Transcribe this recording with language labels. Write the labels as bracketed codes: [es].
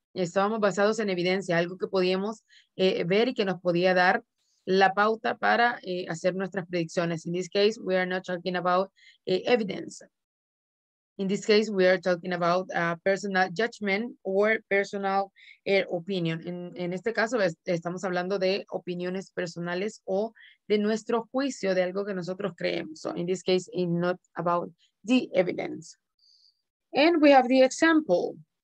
[es] Estábamos basados en evidencia, algo que podíamos ver y que nos podía dar la pauta para hacer nuestras predicciones. [en] In this case, we are not talking about evidence. In this case, we are talking about personal judgment or personal opinion. [es] En este caso, estamos hablando de opiniones personales o de nuestro juicio, de algo que nosotros creemos. [en] So in this case, it's not about the evidence. And we have the example.